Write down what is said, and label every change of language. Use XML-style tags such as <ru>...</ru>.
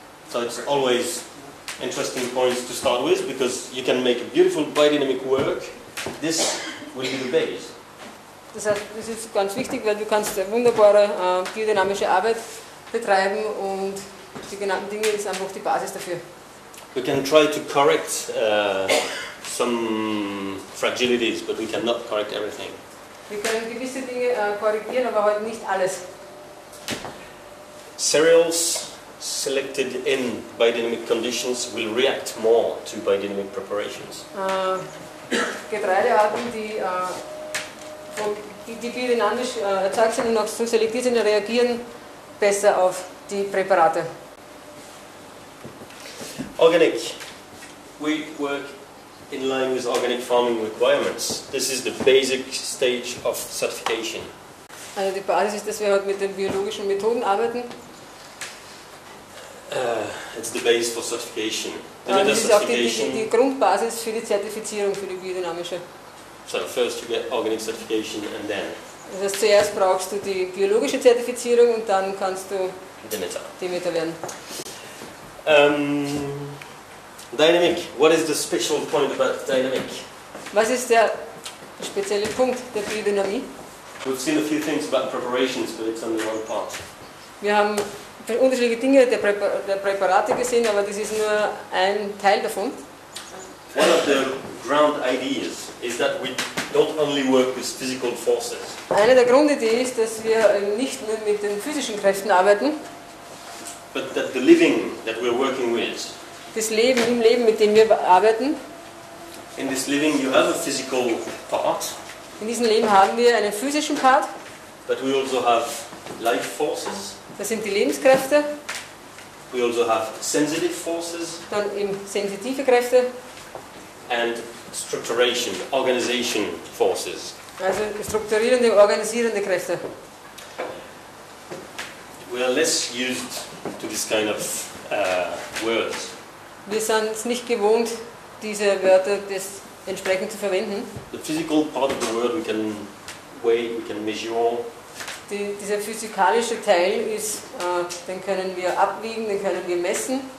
<en>So it's always interesting points to start with, because you can make a beautiful biodynamic work. This will be the base.</en> <de>Das heißt, das ist ganz wichtig, weil du kannst wunderbare biodynamische Arbeit betreiben, und die genannten Dinge ist einfach die Basis dafür.</de> <en>We can try to correct some fragilities, but we cannot correct everything.</en> <de>Wir können gewisse Dinge korrigieren, aber heute nicht alles.</de> <en>Cereals selected in biodynamic conditions will react more to biodynamic preparations.</en> <de>Getreidearten, die biodynamisch erzeugt sind und auch so selektiert sind, reagieren besser auf die Präparate.</de> <en>Organic. We work in line with organic farming requirements. This is the basic stage of certification.</en> <de>Also die Basis ist, dass wir halt mit den biologischen Methoden arbeiten.</de> <en>It's the base for certification.</en> <de>Das ist auch die Grundbasis für die Zertifizierung für die biodynamische.</de> <en>So first you get organic certification and then.</en> <de>Das heißt, zuerst brauchst du die biologische Zertifizierung und dann kannst du Demeter werden.</de> <en>Dynamic. What is the special point about dynamic?</en> <de>Was ist der spezielle Punkt der Biodynamie?</de> <en>We've seen a few things about preparations, but it's only one part.</en> <de>Wir haben unterschiedliche Dinge der Präparate gesehen, aber das ist nur ein Teil davon.</de> <en>One of the ground ideas is that we not only work with physical forces.</en> <de>Eine der Grundidee ist, dass wir nicht nur mit den physischen Kräften arbeiten,</de> <en>but that the living that we're working with.</en> <de>Das Leben im Leben, mit dem wir arbeiten.</de> <en>In this living you have a physical part.</en> <de>In diesem Leben haben wir einen physischen Part.</de> <en>But we also have life forces.</en> <de>Das sind die Lebenskräfte.</de> <en>We also have sensitive forces.</en> <de>Dann eben sensitive Kräfte.</de> <en>And structuration, organization forces.</en> <de>Also strukturierende, organisierende Kräfte.</de> <en>We are less used to this kind of words.</en> <de>Wir sind es nicht gewohnt, diese Wörter des entsprechend zu verwenden.</de> <en>The physical part of the word we can weigh, we can measure.</en> <de>Dieser physikalische Teil ist, den können wir abwiegen, den können wir messen.</de>